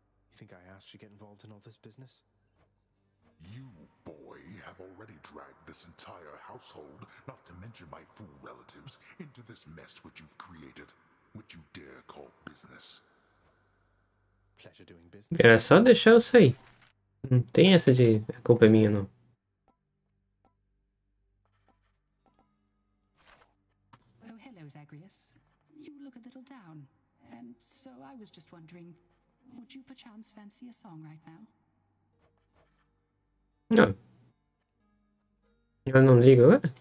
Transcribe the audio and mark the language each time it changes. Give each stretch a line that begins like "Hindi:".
English: You think I asked you to get involved in all this business? You, boy, have already dragged this entire household, not to mention my fool relatives, into this mess which you've created, which you dare call business. Pleasure doing business.
Portuguese: Era só deixar eu sair. Não tem essa de a culpa é minha, não.
English: Zagreus, you look a little down, and so I was just wondering, would you perchance fancy a song right now? No. You're not legal, eh?